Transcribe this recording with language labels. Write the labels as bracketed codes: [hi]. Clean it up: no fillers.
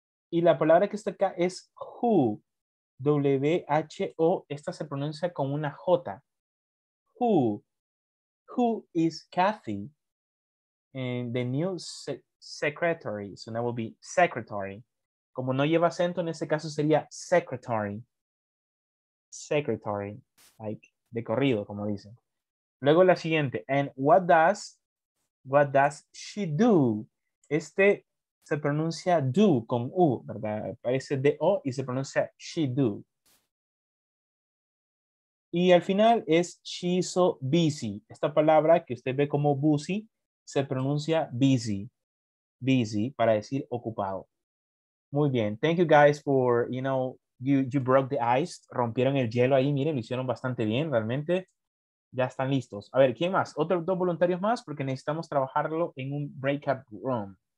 [es] Y la palabra que está acá es who, W-H-O, esta se pronuncia con una J. [en] Who is Kathy? And the new secretary, so that will be secretary. [es] Como no lleva acento, en ese caso sería secretary. [en] Secretary, like [es] de corrido, como dicen. Luego la siguiente, [en] and what does she do? [es] Este se pronuncia do con U, ¿verdad? Parece D-O y se pronuncia she do. Y al final es [en] she so busy. [es] Esta palabra que usted ve como busy, se pronuncia busy. Busy para decir ocupado. Muy bien. [en] Thank you guys for, you know, you broke the ice. [es] Rompieron el hielo ahí. Miren, lo hicieron bastante bien realmente. Ya están listos. A ver, ¿quién más? Otros dos voluntarios más porque necesitamos trabajarlo en un breakout room.